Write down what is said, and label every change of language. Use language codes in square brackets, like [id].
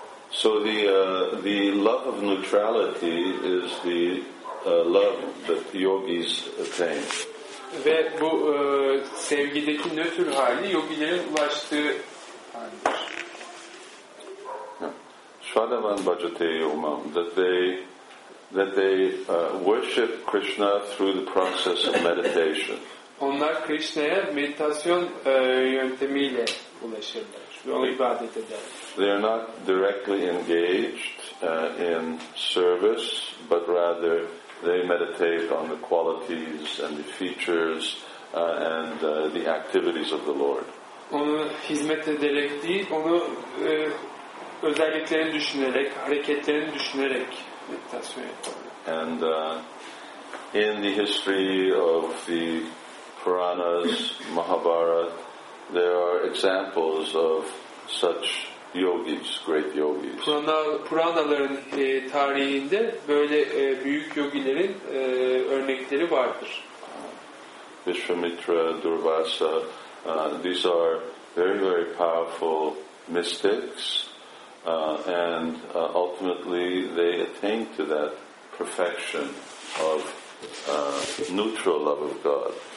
[en] So the love of neutrality is the love that yogis attain. [tr] Ve bu sevgideki nötr hali yogilerin ulaştığı halidir. [sa] Shvadavan bhajateya umam, [en] that they worship Krishna through the process of meditation. [tr] Onlar Krishna'ya meditasyon yöntemiyle ulaşırlar ve ibadet ederler. [en] They are not directly engaged in service, but rather they meditate on the qualities and the features and the activities of the Lord. [tr] Onu hizmet ederek değil, onu özelliklerini düşünerek, hareketlerini düşünerek. [en] And in the history of the Puranas, Mahabharata, there are examples of such yogis, great yogis. [tr] Puranaların tarihinde böyle büyük yogilerin örnekleri vardır. [en] Vishvamitra, Durvasa, these are very, very powerful mystics. And ultimately they attain to that perfection of neutral love of God.